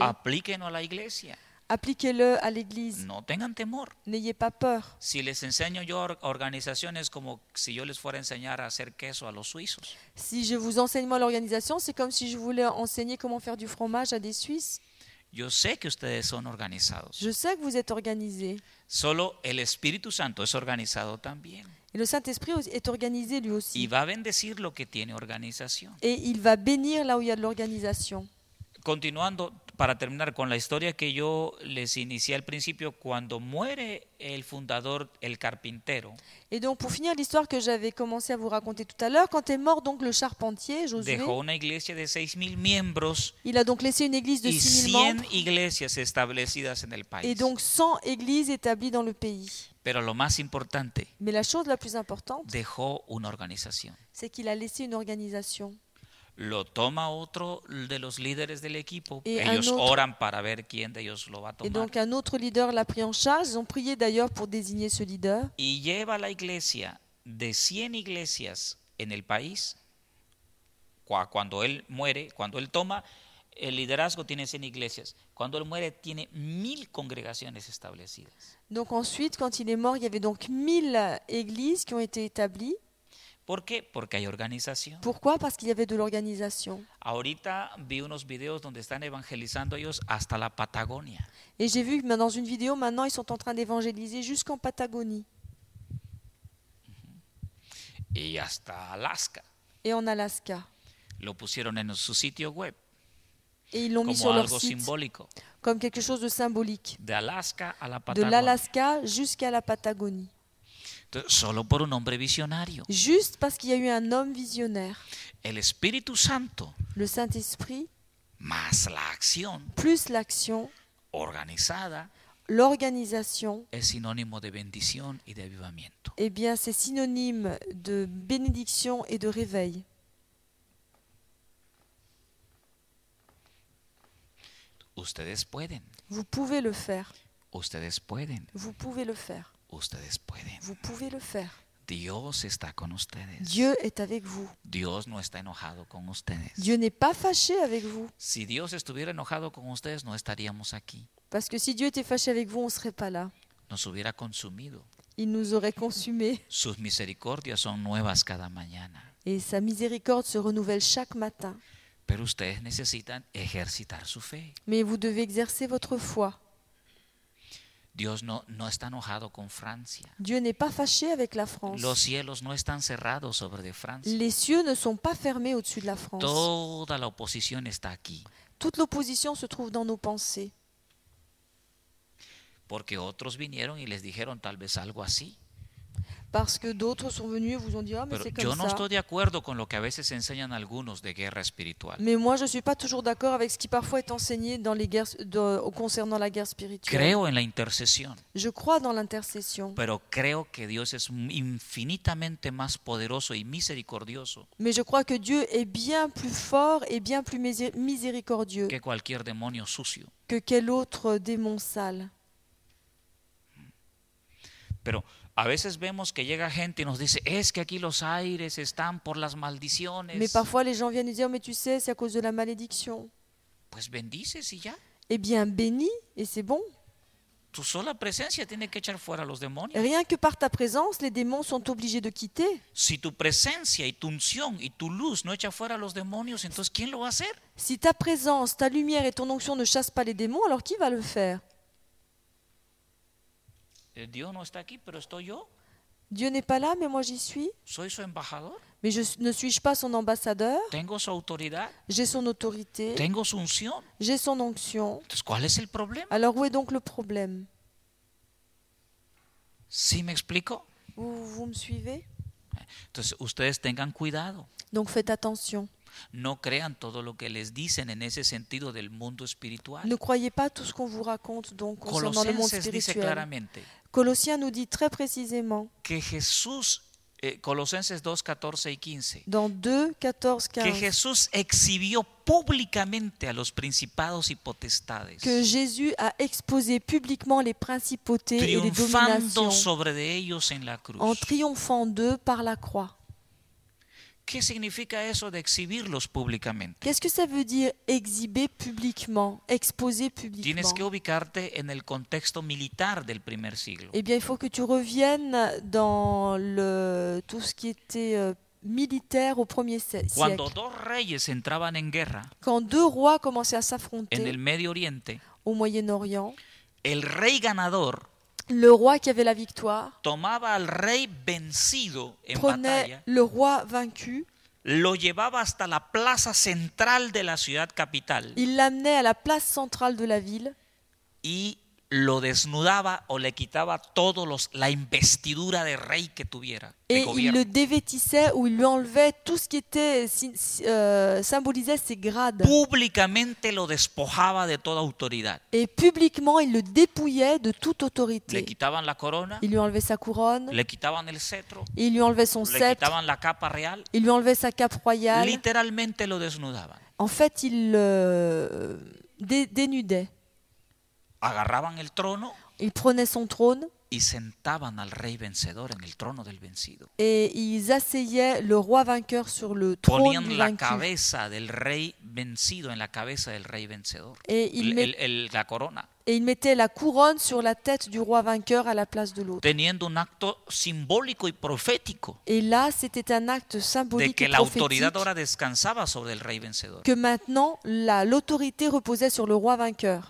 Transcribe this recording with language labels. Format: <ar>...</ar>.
<es>Apliquenlo a la iglesia.</es> <fr>Appliquez-le à l'église.</fr> <es>No tengan temor.</es> <fr>N'ayez pas peur.</fr> <es>Si les enseño yo organizaciones como si yo les fuera a enseñar a hacer queso a los suizos.</es> <fr>Si je vous enseigne moi l'organisation, c'est comme si je voulais enseigner comment faire du fromage à des Suisses.</fr> <es>Yo sé que ustedes son organizados.</es> <fr>Je sais que vous êtes organisés.</fr> <es>Solo el Espíritu Santo es organizado también.</es> <fr>Et le Saint-Esprit est organisé lui aussi.</fr> <es>Y va a bendecir lo que tiene organización.</es> <fr>Et il va bénir là où il y a de l'organisation.</fr> <es>Continuando. Para terminar con la historia que yo les inicié al principio, cuando muere el fundador, el carpintero.</es> <fr>Et donc pour finir l'histoire que j'avais commencé à vous raconter tout à l'heure, quand est mort donc le charpentier Josué.</fr> <es>Dejó una iglesia de 6000 miembros.</es> <fr>Il a donc laissé une église de 6000 membres.</fr> <es>Y 100 iglesias establecidas en el país.</es> <fr>Et donc 100 églises établies dans le pays.</fr> <es>Pero lo más importante.</es> <fr>Mais la chose la plus importante.</fr> <es>Dejó una organización.</es> <fr>C'est qu'il a laissé une organisation.</fr> <es>Lo toma otro de los líderes del equipo.</es> <fr>Et</fr> <es>ellos</es> <fr>autre,</fr> <es>oran para ver quién de ellos lo va a tomar.</es> <fr>Et donc un autre leader l'a pris en charge. Ils ont prié d'ailleurs pour désigner ce leader.</fr> <es>Y lleva la iglesia de 100 iglesias en el país. Cuando él muere, cuando él toma el liderazgo tiene 100 iglesias. Cuando él muere tiene 1000 congregaciones establecidas.</es> <fr>Donc ensuite, quand il est mort, il y avait donc 1000 églises qui ont été établies.</fr> <es>¿Por qué? Porque hay organización.</es> <fr>Pourquoi? Parce qu'il y avait de l'organisation.</fr> <es>Ahorita vi unos videos donde están evangelizando ellos hasta la Patagonia.</es> <fr>Et j'ai vu dans une vidéo maintenant ils sont en train d'évangéliser jusqu'en Patagonie.</fr> <es>Y hasta Alaska.</es> <fr>Et en Alaska.</fr> <es>Lo pusieron en su sitio web.</es> <fr>Et ils l'ont mis sur</fr> <es>algo</es> <fr>leur site.</fr> <es>Simbólico.</es> <fr>Comme quelque chose de symbolique.</fr> <es>De Alaska a la Patagonia.</es> <fr>De l'Alaska jusqu'à la Patagonie.</fr> <es>Solo por un hombre visionario.</es> <fr>Juste parce qu'il y a eu un homme visionnaire.</fr> <es>El Espíritu Santo.</es> <fr>Le Saint-Esprit.</fr> <es>Más la acción.</es> <fr>Plus l'action.</fr> <es>Organizada.</es> <fr>L'organisation.</fr> <es>Es sinónimo de bendición y de avivamiento.</es> <fr>Eh bien, c'est synonyme de bénédiction et de réveil.</fr> <es>Ustedes pueden.</es> <fr>Vous pouvez le faire.</fr> <es>Ustedes pueden.</es> <fr>Vous pouvez le faire.</fr> <es>Ustedes pueden.</es> <fr>Vous pouvez le faire.</fr> <es>Dios está con ustedes.</es> <fr>Dieu est avec vous.</fr> <es>Dios no está enojado con ustedes.</es> <fr>Dieu n'est pas fâché avec vous.</fr> <es>Si Dios estuviera enojado con ustedes, no estaríamos aquí.</es> <fr>Parce que si Dieu était fâché avec vous, on serait pas là.</fr> <es>Nos hubiera consumido.</es> <fr>Il nous aurait consumé.</fr> <es>Sus misericordias son nuevas cada mañana.</es> <fr>Et sa miséricorde se renouvelle chaque matin.</fr> <es>Pero ustedes necesitan ejercitar su fe.</es> <fr>Mais vous devez exercer votre foi.</fr> <es>Dios no está enojado con Francia.</es> <fr>Dieu n'est pas fâché avec la France.</fr> <es>Los cielos no están cerrados sobre de Francia.</es> <fr>Les cieux ne sont pas fermés au-dessus de la France.</fr> <es>Toda la oposición está aquí.</es> <fr>Toute l'opposition se trouve dans nos pensées.</fr> <es>Porque otros vinieron y les dijeron tal vez algo así.</es> <fr>Parce que d'autres sont venus et vous ont dit ah mais</fr> <es>pero</es> <fr>c'est comme</fr> <es>yo no</es> <fr>ça.</fr> <es>Estoy de acuerdo con lo que a veces enseñan algunos de guerra espiritual.</es> <fr>Mais moi je suis pas toujours d'accord avec ce qui parfois est enseigné dans les guerres concernant la guerre spirituelle.</fr> <es>Creo en la intercesión.</es> <fr>Je crois dans l'intercession.</fr> <es>Pero creo que Dios es infinitamente más poderoso y misericordioso.</es> <fr>Mais je crois que Dieu est bien plus fort et bien plus miséricordieux.</fr> <es>Que cualquier demonio sucio.</es> <fr>Que quel autre démon sale.</fr> <es>Pero a veces vemos que llega gente y nos dice, es que aquí los aires están por las maldiciones.</es> <fr>Mais parfois les gens viennent nous dire, mais tu sais, c'est à cause de la malédiction.</fr> <es>Pues bendice y ya.</es> <fr>Eh bien, bénis et c'est bon.</fr> <es>Tu sola presencia tiene que echar fuera los demonios.</es> <fr>Rien que par ta présence, les démons sont obligés de quitter.</fr> <es>Si tu presencia y tu unción y tu luz no echa fuera los demonios, entonces ¿quién lo va a hacer?</es> <fr>Si ta présence, ta lumière et ton onction ne chassent pas les démons, alors qui va le faire?</fr> <es>Dios no está aquí, pero estoy yo.</es> <fr>Dieu n'est pas là, mais moi j'y suis.</fr> <es>Soy su embajador.</es> <fr>Mais je, ne suis-je pas son ambassadeur?</fr> <es>Tengo su autoridad.</es> <fr>J'ai son autorité.</fr> <es>Tengo su unción.</es> <fr>J'ai son onction.</fr> <es>Entonces, ¿cuál es el problema?</es> <fr>Alors, où est donc le problème?</fr> <es>¿Sí me explico?</es> <fr>Vous me suivez?</fr> <es>Entonces, ustedes tengan cuidado.</es> <fr>Donc, faites attention.</fr> <es>No crean todo lo que les dicen en ese sentido del mundo espiritual.</es> <fr>Ne croyez pas tout ce qu'on vous raconte donc concernant le monde spirituel.</fr> <es>Dice claramente.</es> <fr>Colossiens nous dit très précisément</fr> <es>que Jesús, Colosenses 2, 14 y 15,</es> <fr>dans 2, 14, 15,</fr> <es>que Jesús exhibió públicamente a los principados y potestades,</es> <fr>que Jésus a exposé publiquement les principautés et les dominations,</fr> <es>triunfando sobre de ellos en la cruz,</es> <fr>en triomphant d'eux par la croix.</fr> <es>¿Qué significa eso de exhibirlos públicamente?</es> <fr>Qu'est-ce que ça veut dire exhiber publiquement, exposer publiquement?</fr> <es>Tienes que ubicarte en el contexto militar del primer siglo.</es> <fr>Eh bien, il faut que tu reviennes dans le tout ce qui était militaire au premier siècle.</fr> <es>Cuando dos reyes entraban en guerra.</es> <fr>Quand deux rois commençaient à s'affronter.</fr> <es>En el Medio Oriente.</es> <fr>Au Moyen-Orient.</fr> <es>El rey ganador.</es> <fr>Le roi qui avait la victoire</fr> <es>tomaba al rey vencido en</es> <fr>prenait</fr> <es>batalla,</es> <fr>le roi vaincu,</fr> <es>lo llevaba hasta la plaza central de la ciudad capital,</es> <fr>il l'amenait à la place centrale de la ville,</fr> <es>y lo desnudaba o le quitaba todos los, la investidura de rey que tuviera,</es> <fr>et il le dévêtissait ou il lui enlevait tout ce qui était symbolisait ses grades.</fr> <es>Públicamente lo despojaba de toda autoridad.</es> <fr>Et publiquement il le dépouillait de toute autorité.</fr> <es>Le quitaban la corona.</es> <fr>Il lui enlevait sa couronne.</fr> <es>Le quitaban el cetro.</es> <fr>Il lui enlevait son sceptre.</fr> <es>Le quitaban la capa real.</es> <fr>Il lui enlevait sa cape royale.</fr> <es>Literalmente lo desnudaban.</es> <fr>En fait, il dénudait.</fr> <es>Agarraban el trono.</es> <fr>Ils prenaient son trône.</fr> <es>Y sentaban al rey vencedor en el trono del vencido.</es> <fr>Et ils asseyaient le roi vainqueur sur le trône vaincu.</fr> <es>Ponían la cabeza del rey vencido en la cabeza del rey vencedor.</es> <fr>Et</fr> <es>la corona.</es> <fr>Et ils mettaient la couronne sur la tête du roi vainqueur à la place de l'autre.</fr> <es>Teniendo un acto simbólico y profético.</es> <fr>Et là, c'était un acte symbolique.</fr> <es>De que la autoridad ahora descansaba sobre el rey vencedor.</es> <fr>Que maintenant l'autorité reposait sur le roi vainqueur.</fr>